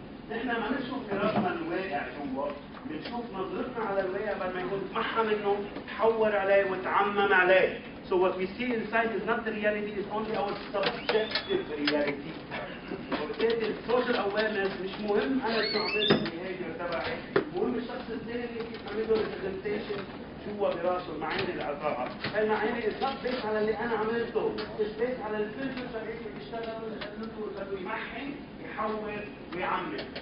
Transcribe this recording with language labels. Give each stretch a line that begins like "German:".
Arabic: نحن ما نشوف في رأسنا الواقع جوا بنشوف نظرتنا على الواقع بعد ما يكون محى منه تحور عليه وتعمم عليه.
English: So what we see inside is not the reality, it's only our subjective reality.
Arabic: وبالتالي
English: social awareness
Arabic: مش مهم انا شو عملت بالبيهيفير تبعي، مهم الشخص الثاني اللي كيف عم يدور البرزنتيشن جوا براسه المعاني اللي عطاها. هاي المعاني
English: is not based
Arabic: على اللي انا عملته،
English: it's based
Arabic: على الفلتر تبعي اللي بيشتغل لانه بده يمحي يحور ويعمم.